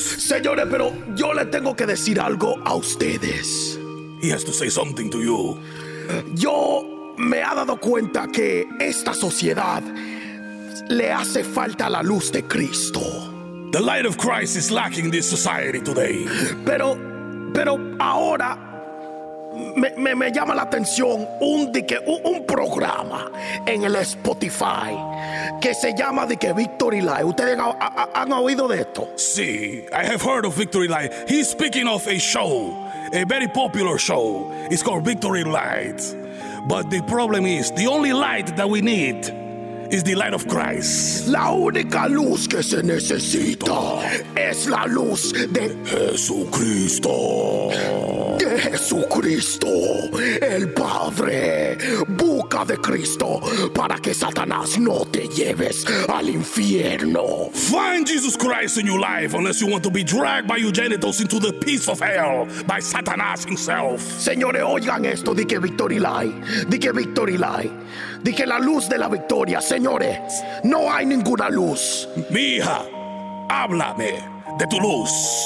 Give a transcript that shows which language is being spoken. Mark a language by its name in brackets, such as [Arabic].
[Spanish] Señores, pero yo le tengo que decir algo a ustedes. [English] He has to say something to you. [Spanish] Yo me he dado cuenta que esta sociedad le hace falta la luz de Cristo. [English] The light of Christ is lacking this society today. [Spanish] Pero ahora me llama la atención un programa en el Spotify que se llama de que Victory Life. ¿Ustedes han oído de esto? [English] Sí, I have heard of Victory Life. He's speaking of a show, a very popular show. It's called Victory Light. But the problem is, the only light that we need is the light of Christ. [Spanish] La única luz que se necesita es la luz de Jesucristo. De Jesucristo, el Padre. Busca de Cristo para que Satanás no te lleves al infierno. [English] Find Jesus Christ in your life unless you want to be dragged by your genitals into the pits of hell by Satanás himself. [Spanish] Señores, oigan esto. Di que Victory Lie. Di que Victory Lie. Dije la luz de la victoria, señores. No hay ninguna luz. Mija, háblame de tu luz.